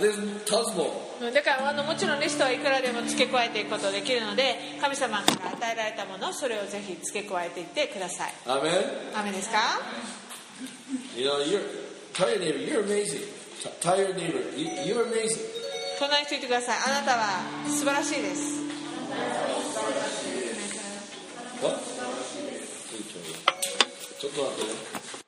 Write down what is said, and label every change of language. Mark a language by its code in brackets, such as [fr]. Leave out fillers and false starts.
[en] this tons more. [ja] だからもちろんリストはいくらでも付け加えていくことができるので、神様から与えられたものをそれをぜひ付け加えていってください。アメン。アメンですか？ [en] You know, you're tell your neighbor, you're amazing. Tell your neighbor, you're amazing. [ja] 隣に言ってください。あなたは素晴らしいです。 [en] What? [ja] ちょっと待って。